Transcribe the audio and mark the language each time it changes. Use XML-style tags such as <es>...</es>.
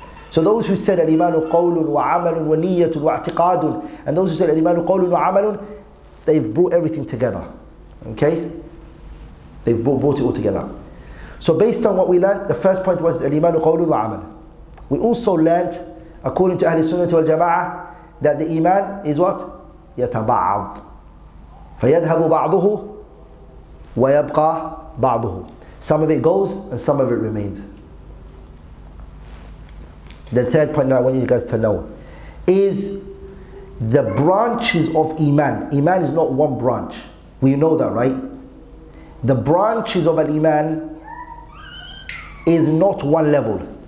<en>So those who said</en> <ar>al-imanu qawlun wa amalun wa niyatun wa i'tiqadun,</ar> <en>and those who said</en> <ar>al-imanu qawlun wa amalun,</ar> <en>they've brought everything together. Okay? They've brought it all together. So based on what we learned, the first point was</en> <ar>al-imanu qawlun wa amal.</ar> <en>We also learned, according to Ahl Sunnah wal Jama'ah, that the iman is what?</en> <ar>يتبعض فيذهب بعضه ويبقى بعضه.</ar> <en>Some of it goes and some of it remains. The third point that I want you guys to know is the branches of iman. Iman is not one branch. We know that, right? The branches of an iman is not one level.</en>